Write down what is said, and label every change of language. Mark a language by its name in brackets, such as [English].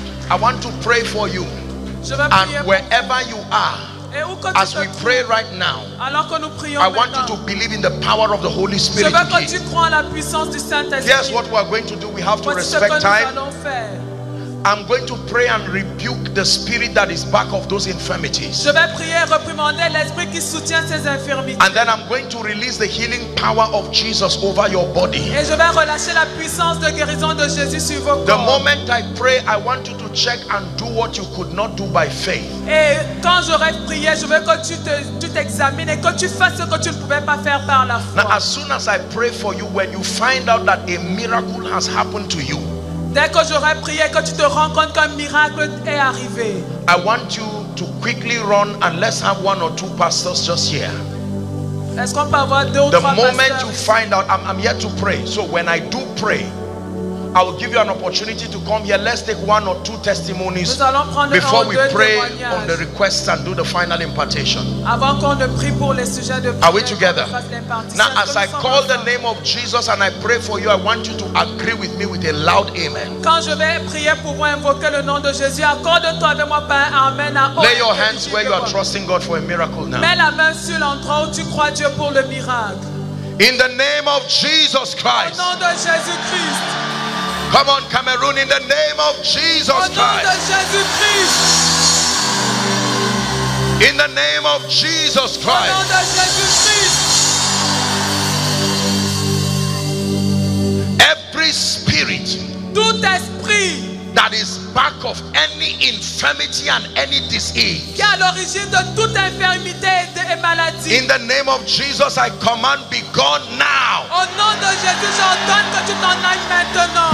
[English] I want to pray for you, and wherever you are, as we pray right now, I want you to believe in the power of the Holy Spirit. Here's what we are going to do. We have to respect time. I'm going to pray and rebuke the spirit that is back of those infirmities. [French] Je vais prier et reprimander l'esprit qui soutient ces infirmités. [English] And then I'm going to release the healing power of Jesus over your body. [French] Et je vais relâcher la puissance de guérison de Jésus sur vos corps. [English] The moment I pray, I want you to check and do what you could not do by faith. [French] Et quand j'aurai prié, je veux que tu t'examines et que tu fasses ce que tu ne pouvais pas faire par la foi. [English] Now, as soon as I pray for you, when you find out that a miracle has happened to you, [French] dès que j'aurai prié, que tu te rends compte qu'un miracle est arrivé, [English] I want you to quickly run and let's have one or two pastors just here. [French] Est-ce qu'on peut avoir deux ou [English] the [French] trois [English] moment pastors? You find out, I'm here to pray. So when I do pray, I will give you an opportunity to come here. Let's take one or two testimonies before we pray on the requests and do the final impartation. [French] Avant qu'on ne prie pour les sujets de prière, [English] are we together? Now, as I call the name of Jesus and I pray for you, I want you to agree with me with a loud amen. [French] Quand je vais prier pour moi, invoquer le nom de Jésus, accorde-toi avec moi par un amen. [English] Lay your hands where you are trusting God for a miracle now. [French] Mets la main sur l'endroit où tu crois Dieu pour le miracle. [English] In the name of Jesus Christ. [French] Au nom de Jésus Christ. [English] Come on, Cameroon, in the name of Jesus Christ. [French] Au nom de Jésus Christ. [English] In the name of Jesus Christ. [French] Au nom de Jésus Christ. [English] Every spirit, [French] tout esprit, [English] that is back of any infirmity and any disease, [French] qui est à l'origine de toute infirmité et maladie, [English] in the name of Jesus, I command, be gone now. [French] Au nom de Jésus, j'ordonne que tu t'en ailles maintenant.